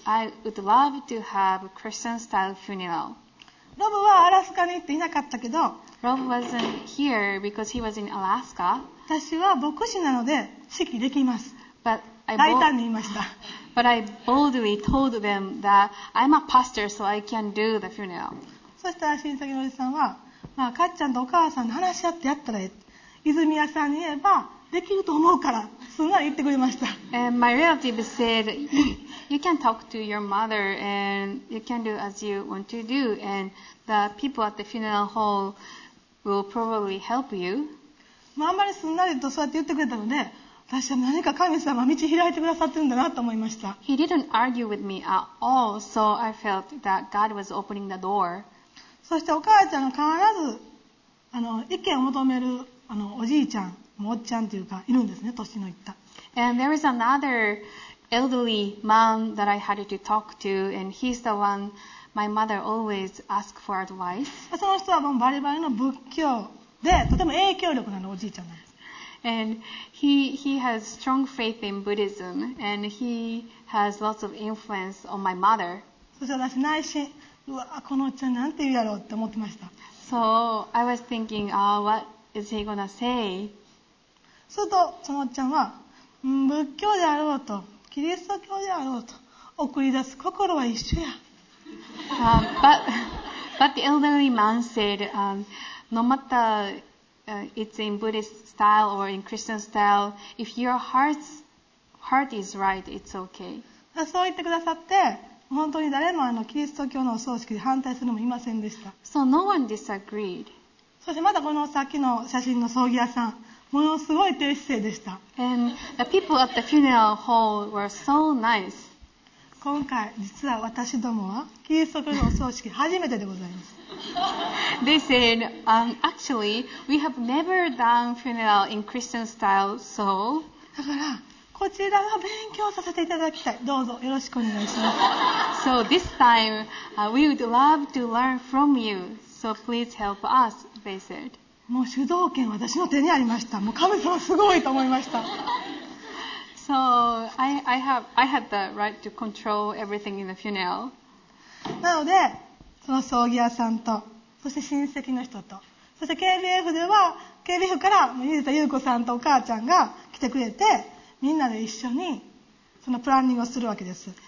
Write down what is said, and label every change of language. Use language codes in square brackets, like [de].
[en] I would love to have a Christian-style funeral. [ja] Rob はアラスカに行っていなかったけど、 [en] Rob wasn't here because he was in Alaska. [ja] 私は牧師なので式できます。 [en] But I [ja] 大胆に言いました。 [en] But I boldly told them that I'm a pastor, so I can do the funeral. [ja] そしたら親戚のおじさんは、まあかっちゃんとお母さんの話し合ってやったらいい。泉谷さんに言えば。できると思うからすんなり言ってくれました。 [en] And my relative said, you can talk to your mother and you can do as you want to do and the people at the funeral hall will probably help you. [ja] あんまりすんなりとそうやって言ってくれたので、私は何か神様道開いてくださってるんだなと思いました。 [en] He didn't argue with me at all, so I felt that God was opening the door. [ja] そしてお母ちゃんの必ず意見を求めるおじいちゃん。おっちゃんというかいるんですね、年のいった。 [en] And there is another elderly man that I had to talk to, and he's the one my mother always asks for advice. [ja] その人はもうバリバリの仏教で、とても影響力のあるおじいちゃんなんです。 [en] And he has strong faith in Buddhism, and he has lots of influence on my mother. [ja] そして私内心、うわこのおっちゃんなんて言うやろうって思ってました。 [en] So I was thinking, what is he gonna say? [ja] するとそのおっちゃんは、仏教であろうとキリスト教であろうと送り出す心は一緒や。 [en] But the elderly man said, no matter it's in Buddhist style or in Christian style, if your heart is right, it's okay. [ja] そう言ってくださって、本当に誰もキリスト教のお葬式で反対するのもいませんでした。 [en] So no one disagreed. [ja] そしてまたこのさっきの写真の葬儀屋さん。ものすごい低姿勢でした。 [en] And the people at the funeral hall were so nice. [ja] 今回実は私どもはキリスト教のお葬式初めてでございます。 [en] They said, actually, we have never done funeral in Christian style, so. [ja] だからこちらは勉強させていただきたい。どうぞよろしくお願いします。 [en] So this time, we would love to learn from you. So please help us, they said. [ja] もう主導権私の手にありました。もう神様すごいと思いました。 [en] So I had the right to control everything in the funeral. [ja] なのでその葬儀屋さんと、そして親戚の人と、そして KBF では KBF から水田優子さんとお母ちゃんが来てくれて、みんなで一緒にそのプランニングをするわけです。